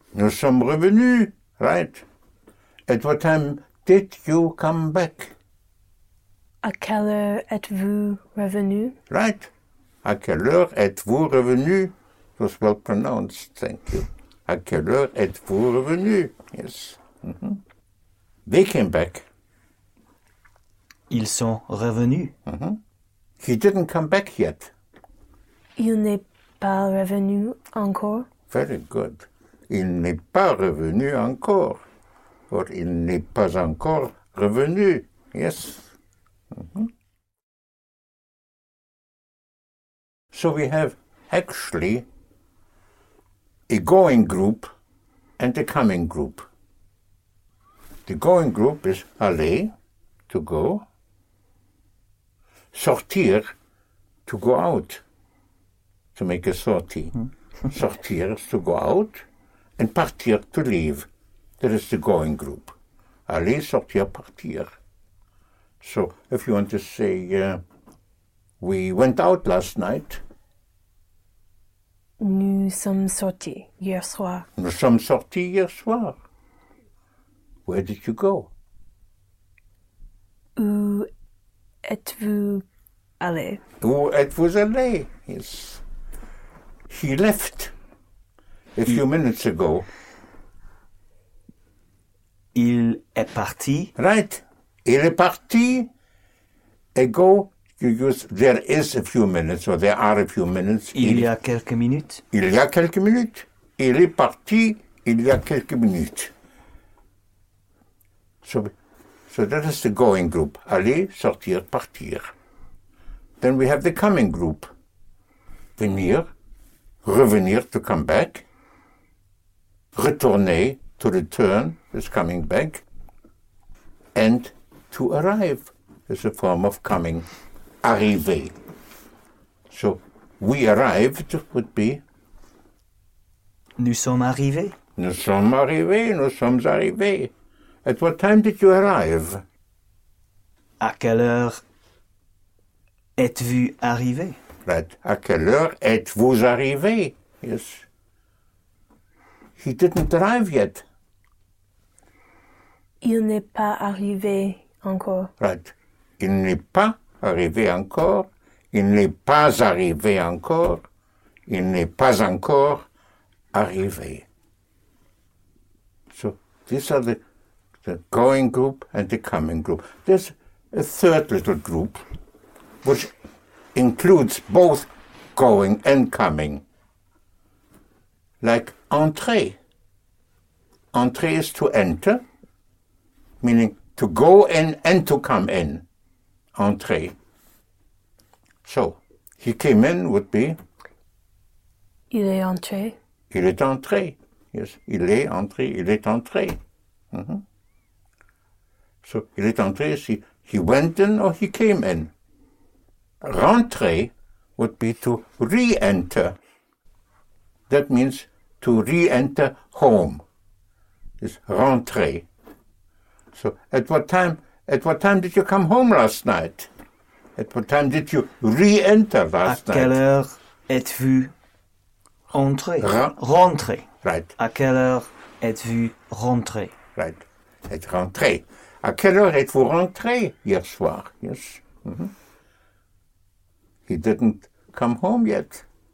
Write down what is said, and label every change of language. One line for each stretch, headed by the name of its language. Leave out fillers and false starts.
French: Nous sommes revenus, right.
English: At what time did you come back?
French: À quelle heure êtes-vous revenu?
English: Right.
French: À quelle heure êtes-vous revenu?
English: It was well pronounced, thank you.
French: À quelle heure êtes-vous revenu?
English: Yes. Mm-hmm. They came back.
French: Ils sont revenus.
English: Mm-hmm. He didn't come back yet.
French: Il n'est pas revenu encore.
English: Very good.
French: Il n'est pas revenu encore. Or il n'est pas encore revenu.
English: Yes. Mm-hmm. So we have actually a going group and a coming group. The going group is aller, to go, sortir, to go out, to make a sortie. Sortir is to go out, and partir, to leave. That is the going group. Aller, sortir, partir. So, if you want to say, we went out last night.
French: Nous sommes sortis hier soir. Nous sommes sortis hier soir.
English: Where did you go?
French: Où êtes-vous allé? Où êtes-vous allé? Yes.
English: He left a few minutes ago.
French: Il est parti. Right. Il est parti.
English: Ago, you use there is a few minutes or there are a few minutes.
French: Il y a quelques minutes. Il y a quelques minutes. Il est parti il y a quelques minutes.
English: So that is the going group. Aller, sortir, partir. Then we have the coming group. Venir, revenir, to come back. Retourner, to return, is coming back. And to arrive is a form of coming. Arriver. So we arrived would be
French: Nous sommes arrivés. Nous sommes arrivés, nous sommes arrivés.
English: At what time did you arrive?
French: À quelle heure êtes-vous arrivé? À quelle heure êtes-vous arrivé?
English: Yes. He didn't arrive yet.
French: Il n'est pas arrivé encore.
English: Right.
French: Il n'est pas arrivé encore. Il n'est pas arrivé encore. Il n'est pas encore arrivé.
English: So, these are the going group and the coming group. There's a third little group, which includes both going and coming. Like entrée. Entrée is to enter, meaning to go in and to come in. Entrée. So, he came in would be...
French: Il est entré. Il est entré. Yes, il est entré. Il est entré. Mm-hmm.
English: So,
French: il est entré,
English: he went in or he came in. Rentrer would be to re-enter. That means to re-enter home. It's rentrer. So, at what time did you come home last night? At what time did you re-enter last night?
French: À quelle heure êtes-vous entré? Rentré.
English: Right.
French: À quelle heure êtes-vous rentré? Right. Êtes rentré. À quelle heure êtes-vous rentré hier soir?
English: Yes. Mm-hmm. He didn't come home yet.